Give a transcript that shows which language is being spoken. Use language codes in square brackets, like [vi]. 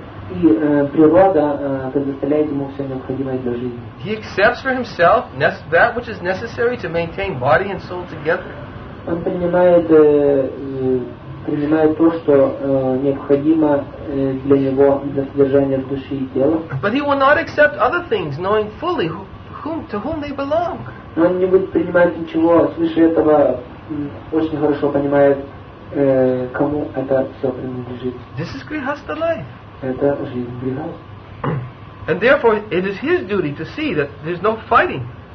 [ru] И природа предоставляет ему все необходимое для жизни. [en] He accepts for himself that which is necessary to maintain body and soul together. [ru] Он принимает то, что необходимо для него для содержания души и тела. [en] But he will not accept other things, knowing fully to whom they belong. [ru] Но он не будет принимать ничего свыше этого, очень хорошо понимает, кому это все принадлежит. [en] This is grihastha life. [ru] Это жизнь грехов. [en] And therefore, it is his duty to see that there's no fighting.